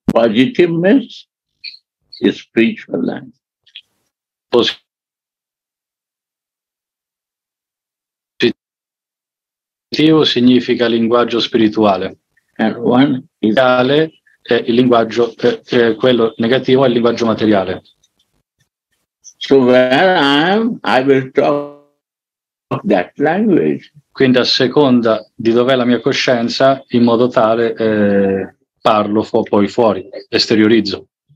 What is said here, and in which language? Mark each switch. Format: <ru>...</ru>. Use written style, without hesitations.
<en>Positive means is spiritual language.</en> <it>Positivo significa linguaggio spirituale.</it> <en>And one is</en> <it>tale è il linguaggio, quello negativo è il linguaggio materiale.</it> <en>So where I am, I will talk that language.</en> <it>Quindi a seconda di dov'è la mia coscienza, in modo tale parlo poi fuori, esteriorizzo.</it>